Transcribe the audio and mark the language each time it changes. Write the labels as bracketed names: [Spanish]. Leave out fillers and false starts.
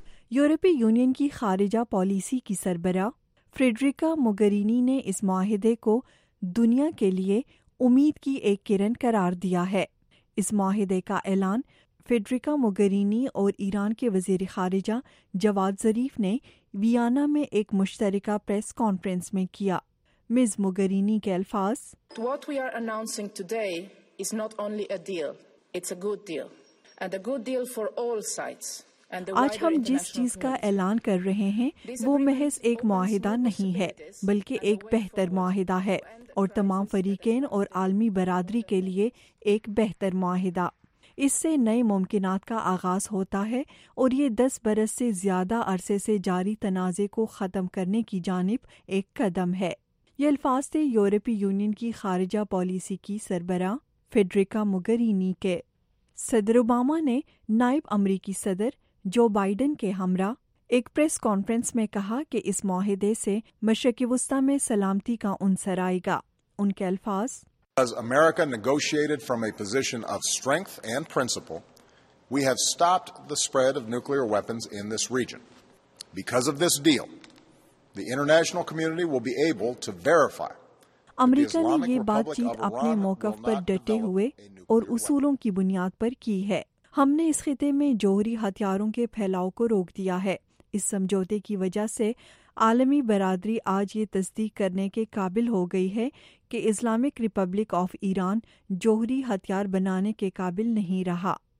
[Urdu] یورپی یونین کی خارجہ پالیسی کی سربراہ فریڈریکا موگرینی نے اس معاہدے کو دنیا کے لیے امید کی ایک کرن قرار دیا ہے. اس معاہدے کا اعلان فیڈریکا موگرینی اور ایران کے وزیر خارجہ جواد ظریف نے ویانا میں ایک مشترکہ پریس کانفرنس میں کیا. مز موگرینی کے الفاظ، [English] What we are announcing today is not only a deal, it's a good deal, and a good deal for all sides. [Urdu] آج ہم جس چیز کا اعلان کر رہے ہیں وہ محض ایک معاہدہ نہیں ہے، بلکہ ایک بہتر معاہدہ ہے، اور تمام فریقین اور عالمی برادری کے لیے ایک بہتر معاہدہ. اس سے نئے ممکنات کا آغاز ہوتا ہے، اور یہ 10 برس سے زیادہ عرصے سے جاری تنازع کو ختم کرنے کی جانب ایک قدم ہے. یہ الفاظ تھے یورپی یونین کی خارجہ پالیسی کی سربراہ فیڈریکا موگرینی کے. صدر اوباما نے نائب امریکی صدر جو بائیڈن کے ہمراہ ایک پریس کانفرنس میں کہا کہ اس معاہدے سے مشرق وسطی میں سلامتی کا عنصر آئے گا. ان کے الفاظ، [English] As America negotiated from a position of strength and principle, we have stopped the spread of nuclear weapons in this region. Because of this deal, the international community will be able to verify. [Urdu] امریکہ نے یہ بات چیت اپنے موقف پر ڈٹے ہوئے اور اصولوں کی بنیاد پر کی ہے. ہم نے اس خطے میں جوہری ہتھیاروں کے پھیلاؤ کو روک دیا ہے. اس سمجھوتے کی وجہ سے عالمی برادری آج یہ تصدیق کرنے کے قابل ہو گئی ہے کہ اسلامک ریپبلک آف ایران جوہری ہتھیار بنانے کے قابل نہیں رہا.